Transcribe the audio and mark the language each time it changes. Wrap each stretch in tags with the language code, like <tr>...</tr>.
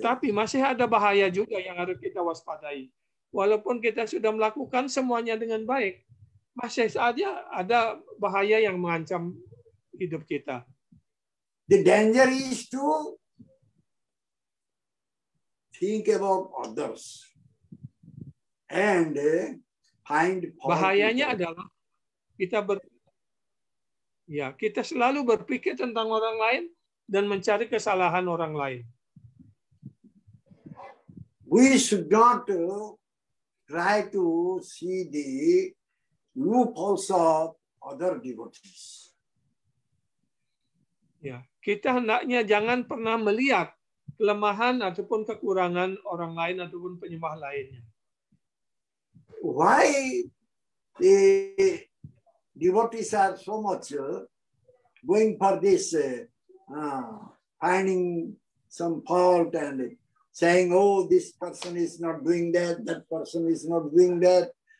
<id>Tetapi masih ada bahaya juga yang harus kita waspadai. Walaupun kita sudah melakukan semuanya dengan baik, masih saja ada bahaya yang mengancam hidup kita.</id> <en>The danger is to think about others and find poverty.</en> <id>Bahayanya adalah kita selalu berpikir tentang orang lain dan mencari kesalahan orang lain.</id> <en>We should not try to see the loopholes of other devotees.</en> <id>Ya, kita hendaknya jangan pernah melihat kelemahan ataupun kekurangan orang lain ataupun penyembah lainnya.</id> <en>Why the devotees are so much going for this finding some fault and saying, oh, this person is not doing that, that person is not doing that.</en>